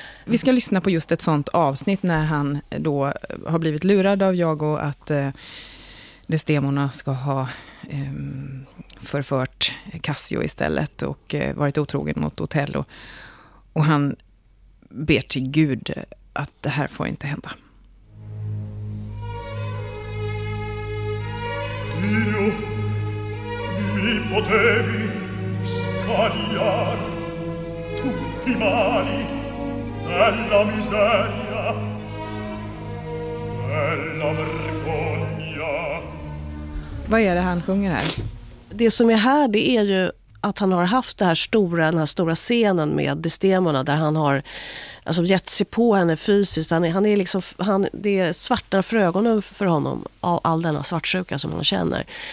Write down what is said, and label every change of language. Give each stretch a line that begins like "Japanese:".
Swedish: Vi ska lyssna på just ett sånt avsnitt när han då har blivit lurad av Iago att Desdemona ska ha förfört Cassio istället och varit otrogen mot Otello. Och han ber till Gud att det här får inte hända.
Italian: Dio, mi potevi scagliare tutti i mali della miseria, della vergogna.
Swedish: Vad är det han sjunger här? Det som är här, det är ju att han har haft den här stora scenen med Desdemona där han har alltså gett sig på henne fysiskt. Han är liksom, det är svarta för ögonen för honom av all denna svartsjuka som han känner.